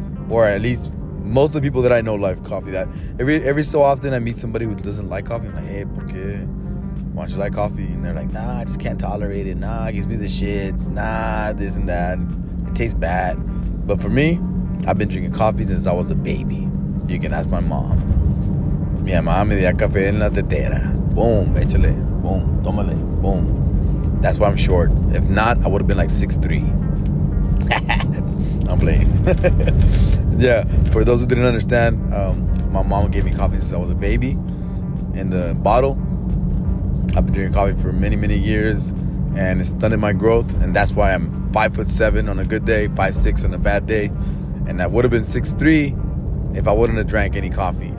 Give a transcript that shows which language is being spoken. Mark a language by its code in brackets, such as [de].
[en] Or at least most of the people that I know like coffee. That every so often I meet somebody who doesn't like coffee. I'm like, hey, [es] por qué? [en] Why don't you like coffee? And they're like, nah, I just can't tolerate it. Nah, it gives me the shits. Nah, this and that. It tastes bad. But for me, I've been drinking coffee since I was a baby. You can ask my mom. [es] Mi mamá me da café en la tetera. [en] Boom, [es] échale. [en] Boom, [es] tómale. [en] Boom. That's why I'm short. If not, I would have been like 6'3". I'm playing. Yeah, for those who didn't understand, my mom gave me coffee since I was a baby in the bottle. I've been drinking coffee for many, many years, and it's stunted my growth, and that's why I'm 5'7" on a good day, 5'6" on a bad day, and I would have been 6'3" if I wouldn't have drank any coffee.